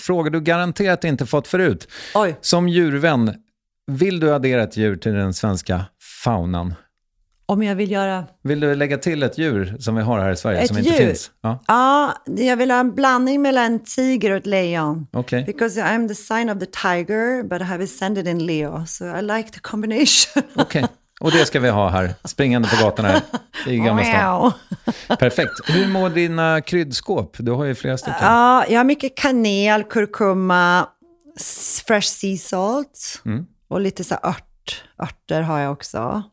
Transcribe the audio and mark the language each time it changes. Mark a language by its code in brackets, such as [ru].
[sv] Frågar du garanterat inte fått förut. Oj. Som djurvän, vill du addera ett djur till den svenska faunan? Om jag vill göra... Vill du lägga till ett djur som vi har här i Sverige ett som djur? Inte finns? Ja, jag vill ha en blandning mellan en tiger och ett lejon. Okay. [en] Because I'm the sign of the tiger, but I have ascended in Leo. So I like the combination. [sv] Okej. Okay. Och det ska vi ha här, springande på gatan här i Gamla stan. Perfekt. Hur mår dina kryddskåp? Du har ju flera stycken. Ja, jag har mycket kanel, kurkuma, [en] fresh sea salt [sv] och lite så örter har jag också.